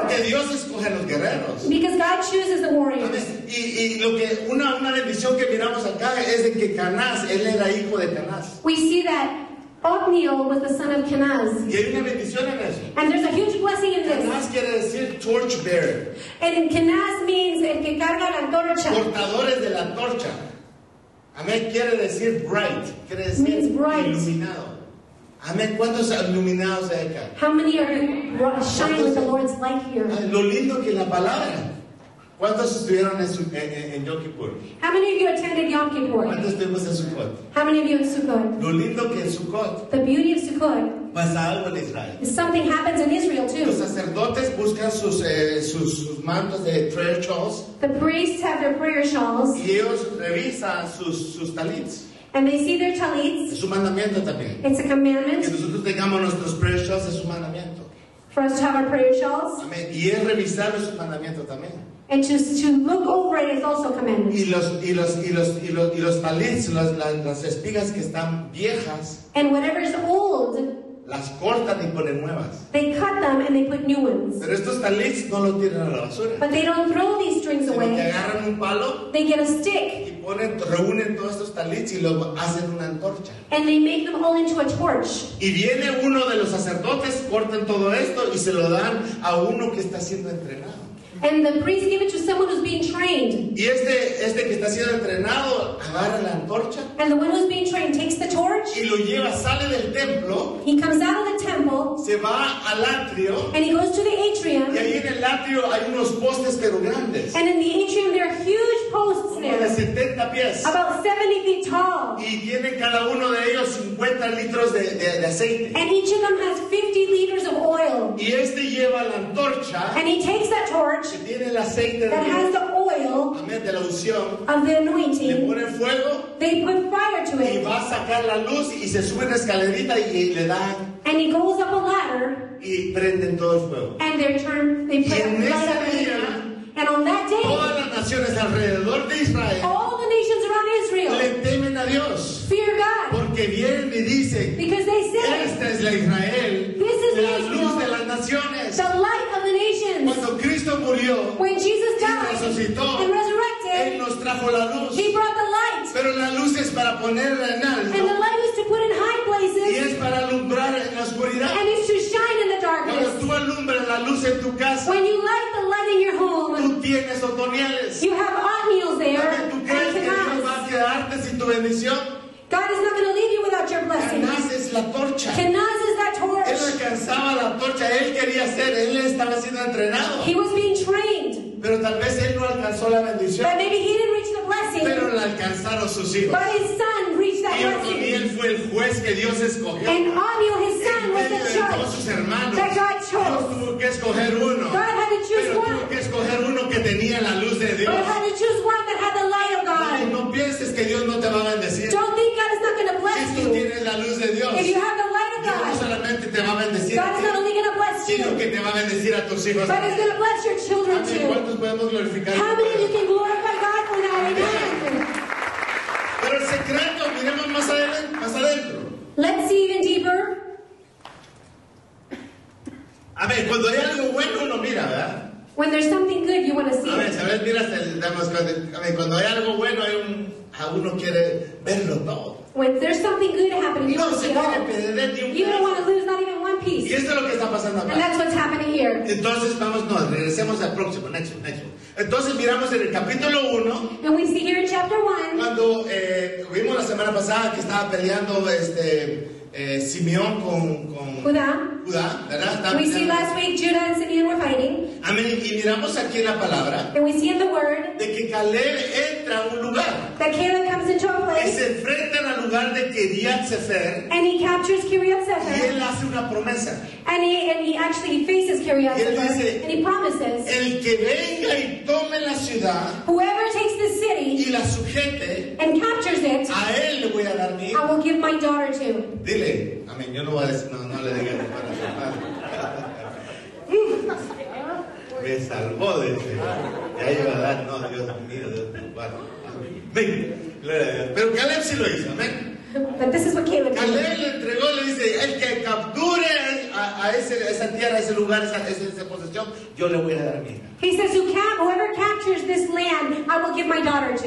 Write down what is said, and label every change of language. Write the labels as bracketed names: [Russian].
[Spanish] Porque Dios escoge los guerreros. [English] Because God chooses the warriors. [Spanish] Y lo que una bendición que miramos acá es de que Canás, él era hijo de Canás. [English] We see that Othniel was the son of Kenaz. [Spanish] Y hay una bendición en eso. [English] And there's a huge blessing in Kenaz this. [Spanish] Kenaz quiere decir [English] torch bearer. And Kenaz means [Spanish] el que carga la antorcha. Portadores de la antorcha. Amén, quiere decir bright. Quiere decir [English] means bright. [Spanish] Iluminado. Amén, ¿cuántos iluminados hay acá? [English] How many are shining with the Lord's light here? [Spanish] Lo lindo que la palabra. ¿Cuántos estuvieron en Yom Kippur? [English] How many of you attended Yom Kippur? [Spanish] ¿Cuántos estuvimos en Sukkot? [English] How many of you in Sukkot? [Spanish] Lo lindo que en Sukkot. [English] The beauty of Sukkot. [Spanish] Pasa algo en Israel. [English] Something happens in Israel too. [Spanish] Los sacerdotes buscan sus mantos de prayer shawls. [English] The priests have their prayer shawls. [Spanish] Y ellos revisan sus talits. [English] And they see their talits. [Spanish] Es un mandamiento también. [English] It's a commandment. [Spanish] Que nosotros tengamos nuestros prayer shawls es un mandamiento. [English] For us to have our prayer shawls. [Spanish] Amén. Y es revisar su mandamiento también. [English] And to look over it is also commanded. [Spanish] Y los talits, las espigas que están viejas. [English] And whatever is old. [Spanish] Las cortan y ponen nuevas. [English] They cut them and they put new ones. [Spanish] Pero estos talits no los tiran a la basura. [English] But they don't throw these strings [Spanish] sino [English] away. [Spanish] Que agarran un palo. [English] They get a stick. [Spanish] Y reúnen todos estos talits y los hacen una antorcha. [English] And they make them all into a torch. [Spanish] Y viene uno de los sacerdotes, cortan todo esto y se lo dan a uno que está siendo entrenado. [English] And the priest gave it to someone who's being trained. [Spanish] Y este que está siendo entrenado agarra la antorcha. [English] And the one who's being trained takes the torch. [Spanish] Y lo lleva, sale del templo. [English] He comes out of the temple. temple. [Spanish] Se va al atrio. [English] And he goes to the atrium. [Spanish] Y ahí en el atrio hay unos postes pero grandes. [English] And in the atrium there are huge posts there. [Spanish] Como de 70 pies. [English] About 70 feet tall. [Spanish] Y tiene cada uno de ellos 50 litros de aceite. [English] And each of them has 50 liters of oil. [Spanish] Y este lleva la antorcha. [English] And he takes that torch. [Spanish] Y tiene el aceite [English] that has the oil. [Spanish] Amén, de la unción. [English] Of the anointing. [Spanish] Le pone fuego. [English] They put fire to it. [Spanish] Y va a sacar la luz y se sube una escalerita y le dan. [English] And he goes up a ladder. [Spanish] Y prenden todo el fuego. [English] And they turn, they put [Spanish] en [English] light [Spanish] ese día, [English] up in. And on that day, [Spanish] todas las naciones alrededor de Israel, [English] all the nations around Israel, [Spanish] le temen a Dios. [English] Fear God. [Spanish] Porque vienen y dicen, [English] because they say, [Spanish] esta es la Israel, [English] this is [Spanish] la luz de las naciones. [English] The light of the nations. [Spanish] Cuando Cristo murió, [English] when Jesus died, [Spanish] y resucitó, [English] and resurrected, [Spanish] Él nos trajo la luz. [English] He brought the light. [Spanish] Pero la luz es para ponerla en alto. [English] And the light is to put in high places. [Spanish] Y es para alumbrar en la oscuridad. [English] And it's to shine in the darkness. [Spanish] Cuando tú alumbras la luz en tu casa, [English] when you light the light in your home, [Spanish] tú tienes otoniales. [English] You have otoniels there. [Spanish] ¿Tú crees que Dios va a quedarte sin tu bendición? [English] God is not going to leave you without your blessing. [Spanish] Kenaz es la torcha. [English] Kenaz is that torch. [Spanish] Él alcanzaba la torcha. Él quería ser. Él estaba siendo entrenado. [English] He was being trained. [Spanish] Pero tal vez él no alcanzó la bendición. [English] But maybe he didn't reach the blessing. [Spanish] Pero la alcanzaron sus hijos. [English] But his son reached that blessing. [Spanish] Y él fue el juez que Dios escogió. [English] And Onio, his son, was the judge. [Spanish] Todos sus hermanos. [English] That God chose. [Spanish] Dios tuvo que escoger uno. [English] God had to choose [Spanish] pero [English] one. [Spanish] Pero tuvo que escoger uno que tenía la luz de Dios. [English] God had to choose one that had the light of God. [Spanish] No pienses que Dios no te va a bendecir. [English] Don't think God is not going to bless you. [Spanish] Si tú tienes la luz de Dios. [English] If you have the light of God. [Spanish] Dios no solamente te va a bendecir. [English] God is not only going to bless you. [Spanish] Sino que te va a bendecir a tus hijos. [English] But he's going to bless your children too. How many of you can glorify God for that? Amen. [Spanish] Pero el secreto, miremos más adelante, más adentro. [English] Let's see even deeper. [Spanish] A ver, cuando hay algo bueno, uno mira, ¿verdad? [English] When there's something good, you want to see. [Spanish] A ver, mira, damos, a ver, cuando hay algo bueno, uno quiere verlo todo. [English] When there's something good happening, [Spanish] no, [English] you want to see it all. You don't want to lose not even one piece. [Spanish] Y esto es lo que está pasando acá. [English] And that's what's happening here. [Spanish] Entonces, vamos, no, regresemos al próximo, [English] next one. [Spanish] Entonces miramos en el capítulo 1. [English] And we see here in chapter 1. [Spanish] Cuando vimos la semana pasada que estaba peleando Simeón con Judá, ¿verdad? Estaba we peleando. [English] See last week Judah and Simeón were fighting. [Spanish] Amén. Y miramos aquí en la palabra. [English] And we see in the word. [Spanish] De que Caleb entra a un lugar. [English] That Caleb comes into a place. [Spanish] Y se enfrenta al lugar de Kiriat Sefer. [English] And he captures Kiriat Sefer. [Spanish] Y él hace una promesa. [English] And he actually faces Kiriat Sefer. And he promises. [Spanish] El que venga y tome la ciudad. [English] Whoever takes the city. [Spanish] Y la sujete. [English] And captures it. [Spanish] A él le voy a dar mi hijo. [English] I will give my daughter to. [Spanish] Dile, amén. Yo no voy a decir, no le diga para su padre. Me salvó de ese. Ya iba a dar, no, Dios mío, de tu padre. Amén. Pero Caleb sí lo hizo, amén. [English] But this is what Caleb did. [Spanish] Caleb le entregó, le dice, el que capture a esa tierra, ese lugar, esa posesión, yo le voy a dar a mi hija. [English] He says, whoever captures this land, I will give my daughter to.